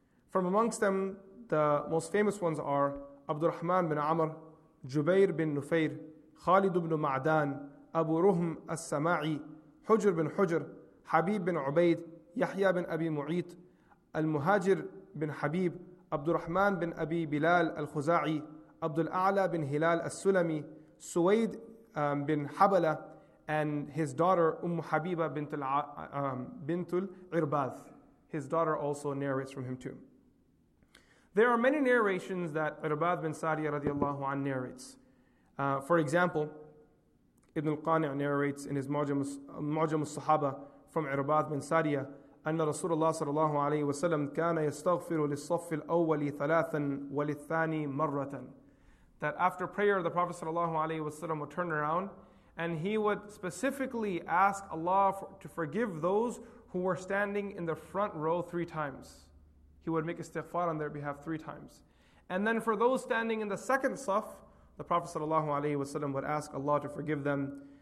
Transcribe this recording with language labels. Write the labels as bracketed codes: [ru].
[en] From amongst them, the most famous ones are Abdurrahman bin Amr, Jubair bin Nufair, Khalid ibn Ma'dan, Abu Ruhm al-Sama'i, Hujr bin Hujr, Habib bin Ubaid, Yahya bin Abi Mu'it, Al-Muhajir bin Habib, Abdurrahman bin Abi Bilal al-Khuza'i, Abdul A'la bin Hilal al-Sulami, Suwaid bin Habala, and his daughter Umm Habiba bintul Irbath. His daughter also narrates from him too. There are many narrations that Irbath bin Sariya radiallahu anhu narrates. For example, Ibn al-Qani' narrates in his Mu'jam al-Sahaba from Irbad bin Sariya, [ar] أن رسول الله صلى الله عليه وسلم كان يستغفر للصف الأول ثلاثا وللثاني مرة. [en] That after prayer, the Prophet صلى الله عليه وسلم would turn around and he would specifically ask Allah to forgive those who were standing in the front row three times. He would make istighfar on their behalf three times. And then for those standing in the second saf, the Prophet sallallahu alaihi wasallam would ask Allah to forgive them.